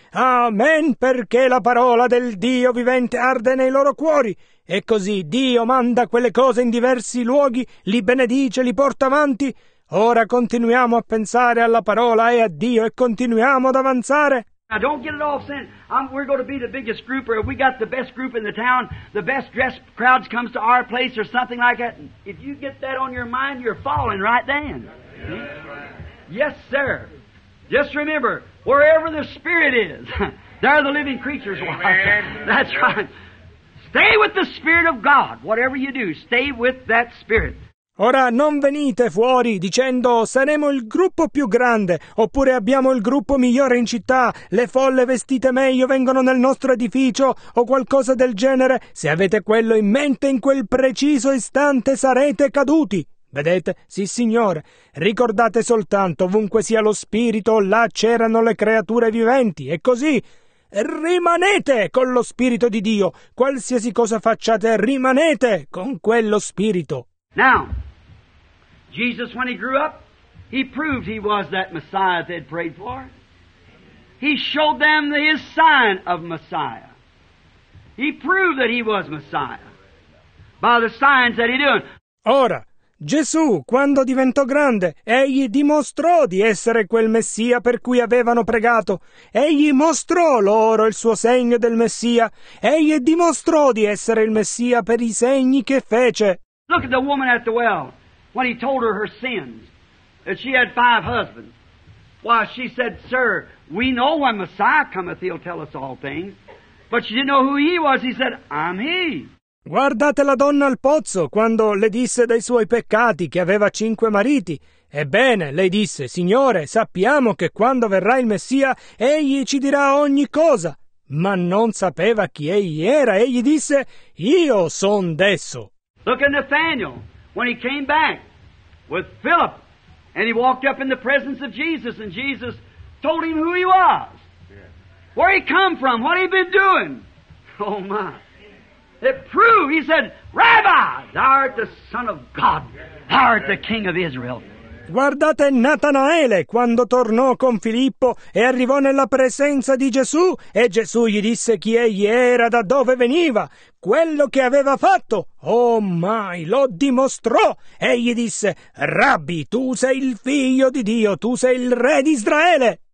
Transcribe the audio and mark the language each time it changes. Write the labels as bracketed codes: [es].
[it] Amen, perché la parola del Dio vivente arde nei loro cuori. E così Dio manda quelle cose in diversi luoghi, li benedice, li porta avanti. Ora continuiamo a pensare alla parola e a Dio e continuiamo ad avanzare. [en] Now don't get it all sent. We're going to be the biggest group, or if we got the best group in the town, the best dressed crowds comes to our place or something like that. If you get that on your mind, you're falling right then. Yes, sir. Just remember, wherever the Spirit is, there the living creatures are. That's right. Stay with the Spirit of God. Whatever you do, stay with that Spirit. [it] Ora non venite fuori dicendo saremo il gruppo più grande, oppure abbiamo il gruppo migliore in città, le folle vestite meglio vengono nel nostro edificio o qualcosa del genere. Se avete quello in mente, in quel preciso istante sarete caduti. Vedete? Sì, Signore. Ricordate soltanto, ovunque sia lo Spirito, là c'erano le creature viventi, e così. Rimanete con lo Spirito di Dio. Qualsiasi cosa facciate, rimanete con quello Spirito. [en] Now, Jesus, when he grew up, he proved he was that Messiah they had prayed for. He showed them his sign of Messiah. He proved that he was Messiah by the signs that he did. [it] Ora, Gesù, quando diventò grande, egli dimostrò di essere quel Messia per cui avevano pregato. Egli mostrò loro il suo segno del Messia. Egli dimostrò di essere il Messia per i segni che fece. [en] Look at the woman at the well, when he told her her sins, that she had 5 husbands. Why, she said, sir, we know when Messiah cometh, he'll tell us all things. But she didn't know who he was. He said, I'm he. [it] Guardate la donna al pozzo, quando le disse dei suoi peccati, che aveva 5 mariti. Ebbene, lei disse, Signore, sappiamo che quando verrà il Messia, egli ci dirà ogni cosa. Ma non sapeva chi egli era. Egli disse, io son d'esso. [en] Look at Nathanael when he came back with Philip, and he walked up in the presence of Jesus, and Jesus told him who he was, where he come from, what he'd been doing. Oh my! It proved. He said, "Rabbi, thou art the Son of God. Thou art the King of Israel." [it] Guardate Natanaele quando tornò con Filippo e arrivò nella presenza di Gesù, e Gesù gli disse chi egli era, da dove veniva, quello che aveva fatto. Oh mai, lo dimostrò, e gli disse, Rabbi, tu sei il figlio di Dio, tu sei il re di Israele.